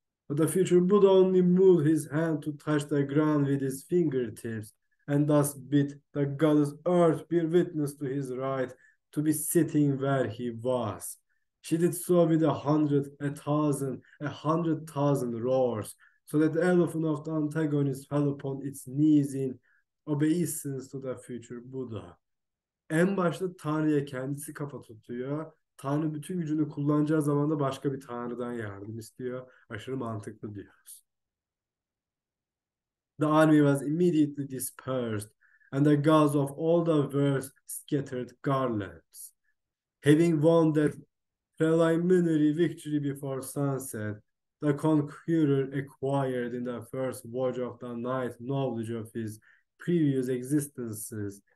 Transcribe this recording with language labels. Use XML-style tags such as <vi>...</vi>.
<en>But the future Buddha only moved his hand to touch the ground with his fingertips and thus bid the goddess Earth bear witness to his right to be sitting where he was. She did so with a hundred thousand roars, so that the elephant of the antagonist fell upon its knees in obeisance to the future Buddha.</en> <tr>En başta Tanrı'ya kendisi kafa tutuyor. Tanrı bütün gücünü kullanacağı zaman da başka bir Tanrı'dan yardım istiyor. Aşırı mantıklı diyoruz.</tr> <en>The army was immediately dispersed and the gods of all the worlds scattered garlands. Having won that preliminary victory before sunset, the conqueror acquired in the first watch of the night knowledge of his previous existences.</en>